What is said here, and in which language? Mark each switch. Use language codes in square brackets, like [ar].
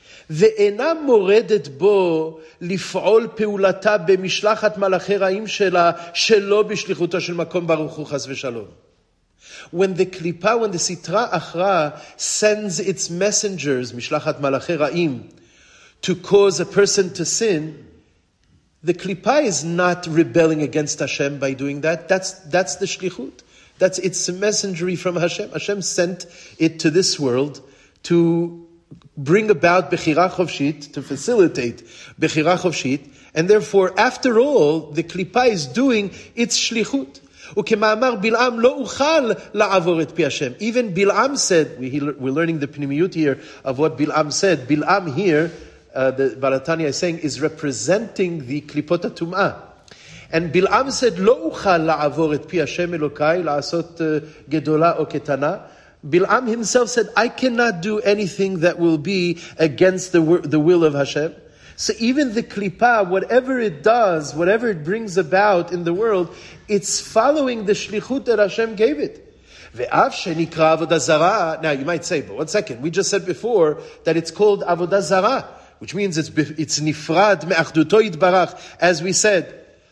[he] ואינה מורדת בו לפעול פעולתה במשלחת מלאכי רעים שלה שלא בשליחותו של מקום ברוך הוא חס ושלום. [en] When the klipa, when the sitra achra sends its messengers, [he] משלחת מלאכי רעים, [en] to cause a person to sin, the klipa is not rebelling against Hashem by doing that. That's the שליחות. That's its messengery from Hashem. Hashem sent it to this world to bring about Bechira Chofshit, to facilitate Bechira Chofshit, and therefore, after all, the Klipa is doing its Shlichut. [he] וכמאמר בלעם לא אוכל לעבור את פי השם. [en] Even Bilam said, we're learning the Pnimiyut here of what Bilam said. Bilam here, the Baal HaTanya is saying, is representing the Klipot HaTum'ah. And Bilam said, [he] לא אוכל לעבור את פי השם אלוקיי, לעשות גדולה או קטנה. [en] Bilam himself said, I cannot do anything that will be against the will of Hashem. So even the klipa, whatever it does, whatever it brings about in the world, it's following the shlichut that Hashem gave it. [he] Ve'av shenikra avodah zara. [en] Now you might say, but one second, we just said before that it's called avodah zara, which means it's [he] nifrad me'achduto yitbarach, [en] as we said.